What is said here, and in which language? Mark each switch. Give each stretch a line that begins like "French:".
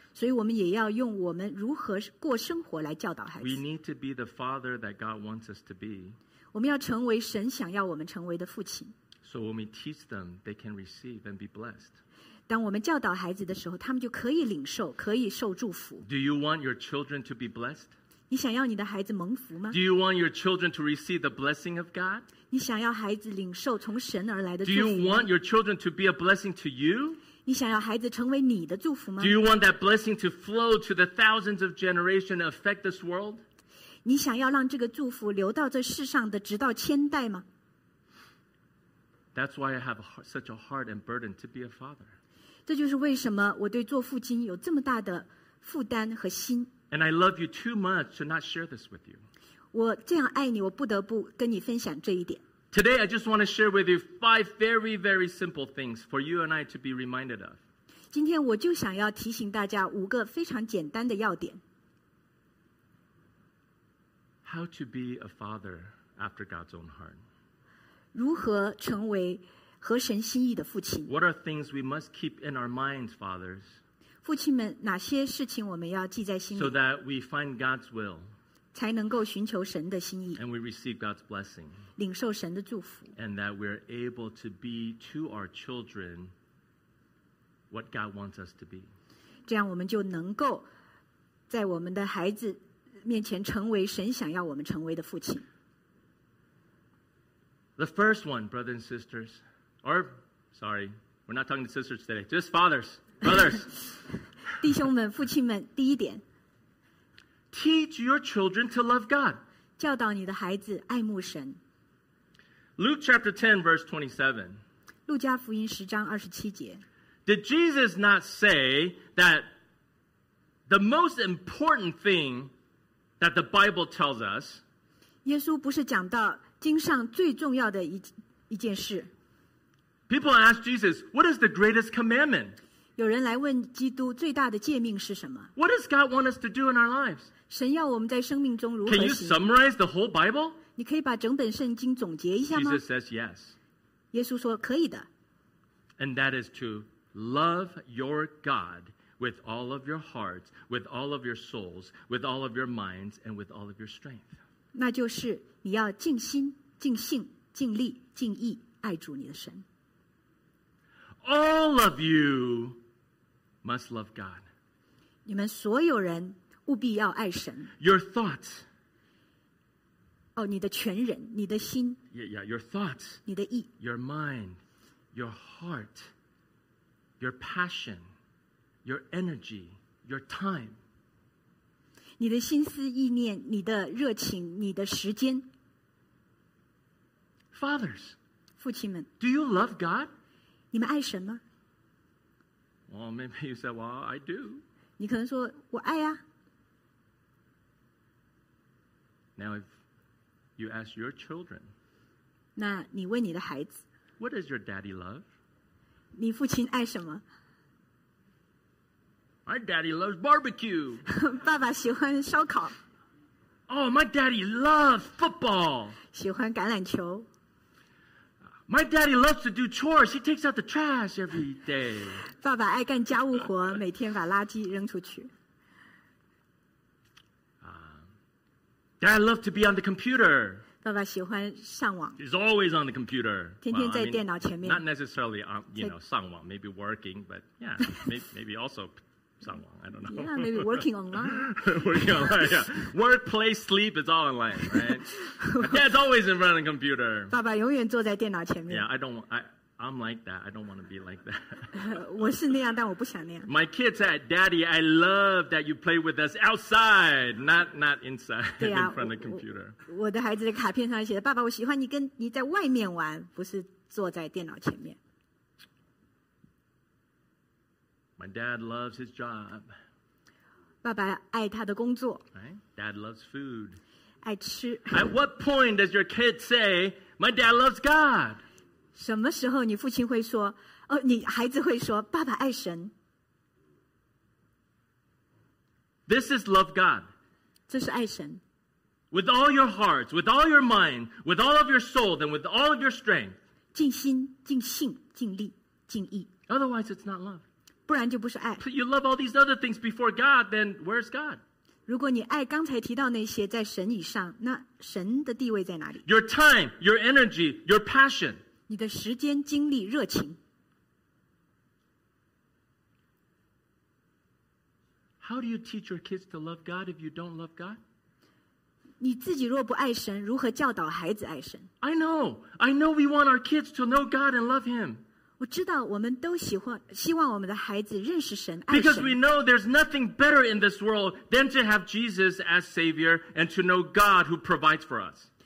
Chinese: 所以我们也要用我们如何过生活来教导孩子。
English: We need to be the father that God wants us to be.
Chinese: 我们要成为神想要我们成为的父亲。
English: So when we teach them, they can receive and be blessed.
Chinese: 当我们教导孩子的时候，他们就可以领受，可以受祝福。
English: Do you want your children to be blessed?
Chinese: 你想要你的孩子蒙福吗？
English: Do you want your children to receive the blessing of God?
Chinese: 你想要孩子领受从神而来的祝福吗？
English: Do you want your children to be a blessing to you?
Chinese: 你想要孩子成为你的祝福吗？
English: Do you want that blessing to flow to the thousands of generations and affect this world?
Chinese: 你想要让这个祝福流到这世上的直到千代吗？
English: That's why I have such a heart and burden to be a father.
Chinese: 这就是为什么我对做父亲有这么大的负担和心。
English: And I love you too much to not share this with you.
Chinese: 我这样爱你，我不得不跟你分享这一点。
English: Today, I just want to share with you five very, very simple things for you and I to be reminded of.
Chinese: 今天我就想要提醒大家五个非常简单的要点。
English: How to be a father after God's own heart.
Chinese: 如何成为和神心意的父亲。
English: What are things we must keep in our minds, fathers?
Chinese: 父亲们，哪些事情我们要记在心里？
English: So that we find God's will.
Chinese: 才能够寻求神的心意。
English: And we receive God's blessing.
Chinese: 领受神的祝福。
English: And that we're able to be to our children what God wants us to be.
Chinese: 这样我们就能够在我们的孩子面前成为神想要我们成为的父亲。
English: The first one, brothers and sisters, or, sorry, we're not talking to sisters today, just fathers, brothers.
Chinese: 弟兄们，父亲们，第一点。
English: Teach your children to love God.
Chinese: 教导你的孩子爱慕神。
English: Luke chapter 10, verse 27.
Chinese: 路加福音十章二十七节。
English: Did Jesus not say that the most important thing that the Bible tells us?
Chinese: 耶稣不是讲到经上最重要的一件事。
English: People ask Jesus, what is the greatest commandment?
Chinese: 有人来问基督最大的诫命是什么？
English: What does God want us to do in our lives?
Chinese: 神要我们在生命中如何行？
English: Can you summarize the whole Bible?
Chinese: 你可以把整本圣经总结一下吗？
English: Jesus says yes.
Chinese: 耶稣说可以的。
English: And that is to love your God with all of your hearts, with all of your souls, with all of your minds, and with all of your strength.
Chinese: 那就是你要尽心、尽性、尽力、尽意爱主你的神。
English: All of you must love God.
Chinese: 你们所有人务必要爱神。
English: Your thoughts.
Chinese: 哦，你的全人，你的心。
English: Yeah, yeah. Your thoughts.
Chinese: 你的意。
English: Your mind, your heart, your passion, your energy, your time.
Chinese: 你的心思意念，你的热情，你的时间。
English: Fathers.
Chinese: 父亲们。
English: Do you love God?
Chinese: 你们爱神吗？
English: Well, maybe you say, well, I do.
Chinese: 你可能说，我爱啊。
English: Now, if you ask your children,
Chinese: 那你问你的孩子，
English: What does your daddy love?
Chinese: 你父亲爱什么？
English: My daddy loves barbecue.
Chinese: 爸爸喜欢烧烤。
English: Oh, my daddy loves football.
Chinese: 喜欢橄榄球。
English: My daddy loves to do chores. He takes out the trash every day.
Chinese: 爸爸爱干家务活，每天把垃圾扔出去。
English: Dad loves to be on the computer.
Chinese: 爸爸喜欢上网。
English: He's always on the computer.
Chinese: 天天在电脑前面。
English: Not necessarily, you know, 上网。 Maybe working, but yeah, maybe also 上网。 I don't know. Yeah, maybe working online. Working online, yeah. Work, play, sleep, it's all online, right? Dad's always in front of the computer.
Chinese: 爸爸永远坐在电脑前面。
English: Yeah, I'm like that. I don't want to be like that.
Chinese: 我是那样，但我不想那样。
English: My kids said, Daddy, I love that you play with us outside, not inside,
Chinese: 对啊,
English: in front of the computer.
Chinese: 我的孩子的卡片上写的，爸爸，我喜欢你跟你在外面玩，不是坐在电脑前面。
English: My dad loves his job.
Chinese: 爸爸爱他的工作。
English: Right? Dad loves food.
Chinese: 爱吃。
English: At what point does your kid say, My dad loves God?
Chinese: 什么时候你父亲会说，哦，你孩子会说，爸爸爱神。
English: This is love God.
Chinese: 这是爱神。
English: With all your hearts, with all your mind, with all of your soul, and with all of your strength.
Chinese: 尽心、尽性、尽力、尽意。
English: Otherwise, it's not love.
Chinese: 不然就不是爱。
English: But you love all these other things before God, then where's God?
Chinese: 如果你爱刚才提到那些在神以上，那神的地位在哪里？
English: Your time, your energy, your passion.
Chinese: 你的时间、精力、热情。
English: How do you teach your kids to love God if you don't love God?
Chinese: 你自己若不爱神，如何教导孩子爱神？
English: I know we want our kids to know God and love Him.
Chinese: 我知道我们都希望我们的孩子认识神，爱神。
English: Because we know there's nothing better in this world than to have Jesus as Savior and to know God who provides for us.